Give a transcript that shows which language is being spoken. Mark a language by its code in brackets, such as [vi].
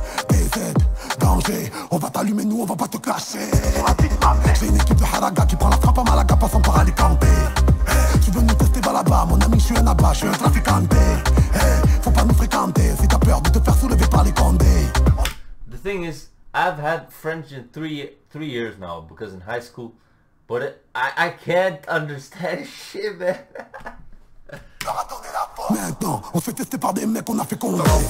[fr] TZ, danger, on va t'allumer, nous on va pas te cacher. J'ai une équipe de Haraga qui prend la frappe à Malaga, passant par Alicante. Tu veux nous tester là-bas, mon ami, je suis un abat, je suis un Trafiquinte. Faut pas nous fréquenter si t'as peur de te faire soulever par les condés. [en] The thing is, I've had French in three years now because in high school, but I can't understand shit, man. [fr] Maintenant, on se fait tester par des mecs qu'on a fait con.